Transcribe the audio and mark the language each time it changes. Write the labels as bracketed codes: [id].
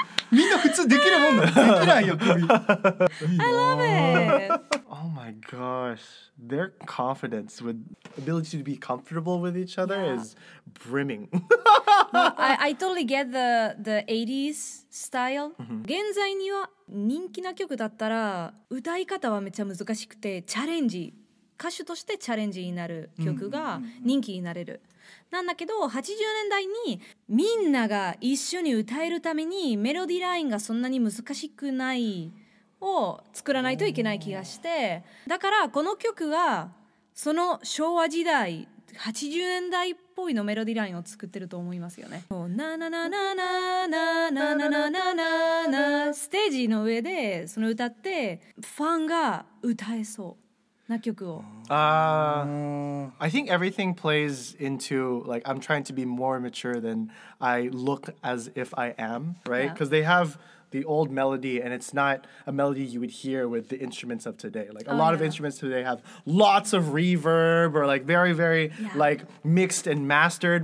[ja] みんな普通できるもんできないよ。 [en] I love it. Oh my gosh, their confidence with ability to be comfortable with each other is brimming. I totally get the 80s. style、mm-hmm. [ja] 現在には人気な曲だったら歌い方はめっちゃ難しくてチャレンジ歌手としてチャレンジになる曲が人気になれる、mm-hmm. なんだけど80年代にみんなが一緒に歌えるためにメロディーラインがそんなに難しくないを作らないといけない気がして、mm-hmm. だからこの曲はその昭和時代80年代っぽいのメロディーラインを作ってると思いますよね。ステージの上でその歌ってファンが歌えそうな曲を。 [en] I think everything plays into like I'm trying to be more mature than I look as if I am, right? Because they have the old melody and it's not a melody you would hear with the instruments of today. Like a lot of instruments today have lots of reverb or like very, very like mixed and mastered.